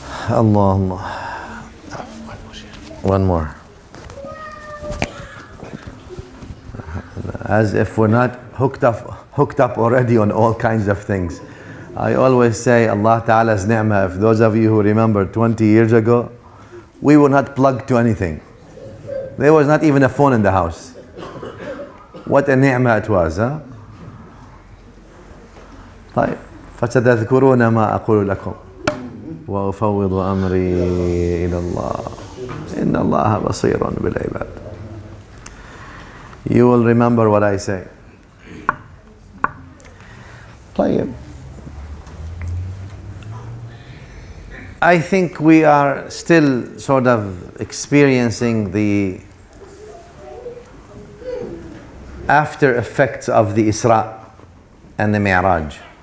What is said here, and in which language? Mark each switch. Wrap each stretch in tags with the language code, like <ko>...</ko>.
<ar>الله الله</ar> <en>One more As if we're not hooked up already on all kinds of things I always say Allah Ta'ala's ni'mah If those of you who remember 20 years ago We were not plugged to anything There was not even a phone in the house. What a ni'mah it was, huh?</en> <ar>طيب فَسَتَذْكُرُونَ مَا أَقُولُ لَكُمْ وَأُفَوِّضُ أَمْرِي إِلَى اللَّهِ إِنَّ اللَّهَ بَصِيرٌ بِالْعِبَادِ</ar> <en>You will remember what I say. طيب I think we are still sort of experiencing the after effects of the Isra and the Mi'raj.</en>